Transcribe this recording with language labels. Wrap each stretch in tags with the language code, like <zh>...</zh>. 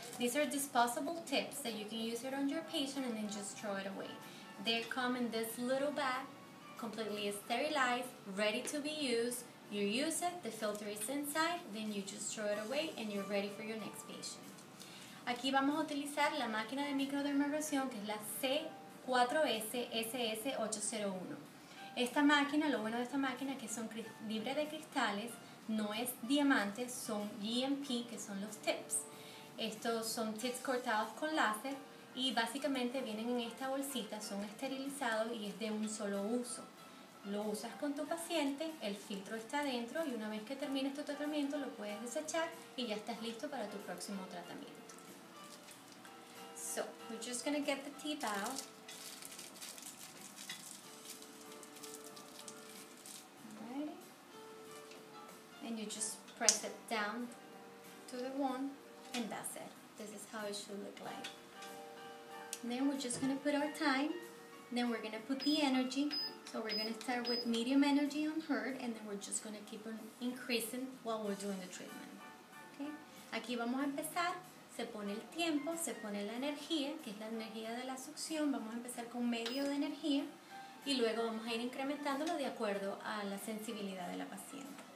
<en>These are disposable tips that you can use it on your patient and then just throw it away. They come in this little bag, completely sterilized, ready to be used. You use it, the filter is inside, then you just throw it away and you're ready for your next patient.</en> <es>Aquí vamos a utilizar la máquina de microdermabrasión, que es la C4S SS801. Esta máquina, lo bueno de esta máquina es que son libres de cristales, no es diamante, son GMP, que son los tips. Estos son tips cortados con láser y básicamente vienen en esta bolsita, son esterilizados y es de un solo uso. Lo usas con tu paciente, el filtro está dentro y una vez que termines tu tratamiento lo puedes desechar y ya estás listo para tu próximo tratamiento.</es> <en>So, we're just gonna get the tip out. And you just press it down to the wand, and that's it. This is how it should look like. And then we're just gonna put our time, then we're gonna put the energy. So we're gonna start with medium energy on her, and then we're just gonna keep on increasing while we're doing the treatment.</en> <es>Okay? Aquí vamos a empezar. Se pone el tiempo, se pone la energía, que es la energía de la succión. Vamos a empezar con medio de energía, y luego vamos a ir incrementándolo de acuerdo a la sensibilidad de la paciente.</es>